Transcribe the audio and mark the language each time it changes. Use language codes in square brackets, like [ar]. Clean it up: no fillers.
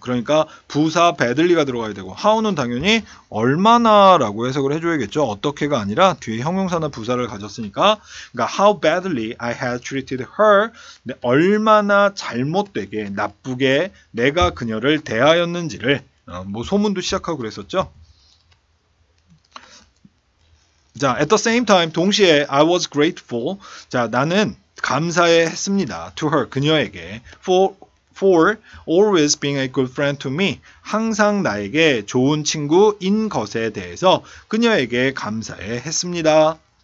[ko] 그러니까 부사 badly가 들어가야 되고 how는 당연히 얼마나 라고 해석을 해줘야겠죠. 어떻게가 아니라 뒤에 형용사나 부사를 가졌으니까. 그러니까 [en] how badly I had treated her. [ko] 얼마나 잘못되게 나쁘게 내가 그녀를 대하였는지를. 뭐 소문도 시작하고 그랬었죠. [en] 자, at the same time, [ko] 동시에 [en] I was grateful. [ko] 자, 나는 감사해 했습니다. [en] To her, [ko] 그녀에게. [en] For always being a good friend to me. [ko] 항상 나에게 좋은 친구인 것에 대해서 그녀에게 감사해 했습니다.